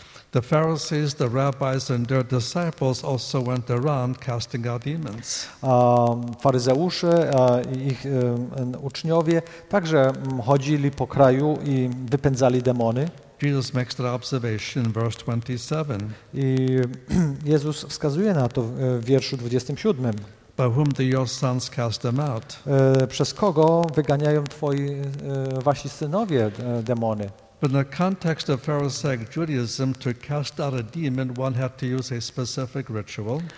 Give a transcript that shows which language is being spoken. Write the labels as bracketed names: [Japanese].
[English] The Pharisees, the rabbis and their disciples also went around casting out demons. [Polish] Faryzeusze i ich uczniowie także chodzili po kraju i wypędzali demony. [English] Jesus makes that observation in verse 27. [Polish] I Jezus wskazuje na to w wierszu 27. [English] By whom do your sons cast them out? [Polish] Przez kogo wyganiają wasi synowie demony? [English] But in the context of Pharisaic Judaism, to cast out a demon, one had to use a specific ritual.